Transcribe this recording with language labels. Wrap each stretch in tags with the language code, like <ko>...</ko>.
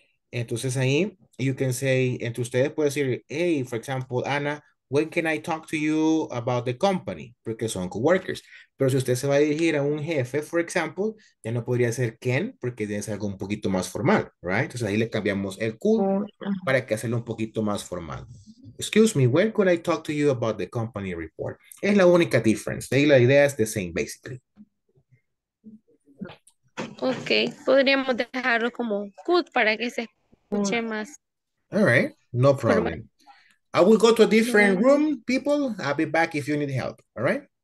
<es>Entonces ahí,</es> <en>you can say,</en> <es>entre ustedes puede decir,</es> <en>hey, for example, Ana, when can I talk to you about the company?</en> <es>Porque son coworkers. Pero si usted se va a dirigir a un jefe,</es> <en>for example,</en> <es>ya no podría ser can, porque debe ser algo un poquito más formal, right? Entonces ahí le cambiamos el could para que hacerlo un poquito más formal.</es> <en>Excuse me, when could I talk to you about the company report?</en> <es>Es la única difference. Ahí la idea es</es> <en>the same, basically.</en> <es>Ok, podríamos dejarlo como good para que se escuche más.</es> <en>All right, no problem. I will go to a different room, people. I'll be back if you need help, all right?</en>